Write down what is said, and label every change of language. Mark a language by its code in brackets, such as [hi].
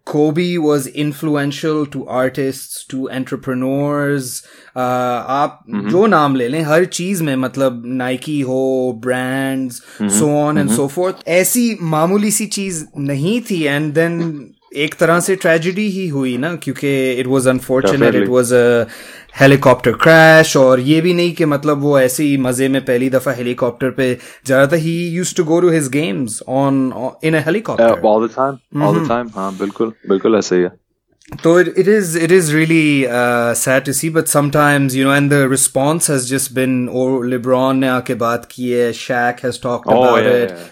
[en] Kobe was influential to artists, to entrepreneurs. [hi] आप जो नाम ले लें हर चीज में, मतलब Nike हो, brands, [en] so on and so forth. [hi] ऐसी मामूली सी चीज नहीं थी. [en] And then [hi] एक तरह से tragedy ही हुई ना, क्योंकि [en] it was unfortunate. Definitely. It was a helicopter crash. [hi] और ये भी नहीं कि मतलब वो ऐसे ही मजे में पहली दफा हेलीकॉप्टर पे जा रहा था. [en] He used to go to his games in a helicopter. All the time. [hi] हाँ, बिल्कुल ऐसे ही है. [en] So it is really sad to see, but sometimes, you know, and the response has just been, oh, LeBron [hi] ne aake baat ki hai, [en] Shaq has talked about it.